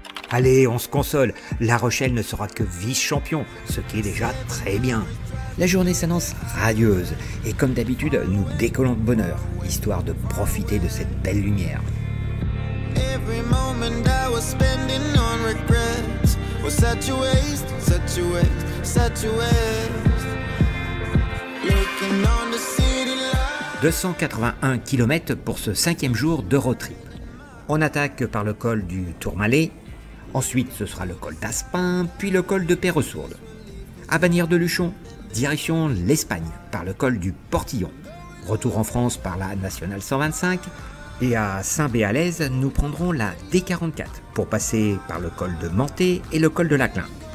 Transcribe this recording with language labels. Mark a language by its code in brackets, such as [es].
[fr] Allez, on se console. La Rochelle ne sera que vice-champion, ce qui est déjà très bien. La journée s'annonce radieuse et comme d'habitude, nous décollons de bonheur, histoire de profiter de cette belle lumière. [en] Every moment I was spending on regrets was such a waste, such a waste, such a waste. Looking on the city light. [fr] 281 km pour ce cinquième jour de road trip. On attaque par le col du Tourmalet, ensuite ce sera le col d'Aspin, puis le col de Peyresourde. À Bagnères-de-Luchon, direction l'Espagne par le col du Portillon. Retour en France par la Nationale 125. Et à Saint-Béalaise, nous prendrons la D44 pour passer par le col de Manté et le col de Laclin.